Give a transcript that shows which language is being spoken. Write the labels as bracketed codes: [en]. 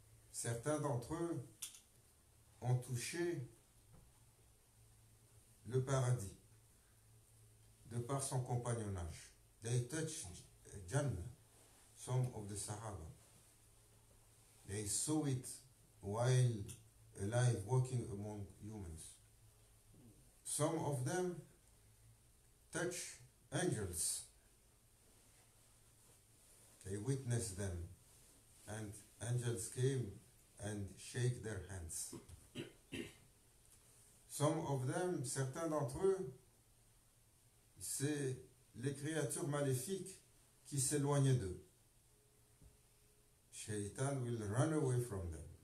[fr] Certains d'entre eux ont touché le paradis de par son compagnonnage. [en] They touched Jannah, some of the Sahaba. They saw it while alive, walking among humans. Some of them touch angels. They witnessed them, and angels came and shake their hands. Some of them, [fr] certains d'entre eux, c'est les créatures maléfiques qui s'éloignaient d'eux. [en] Shaitan will run away from them.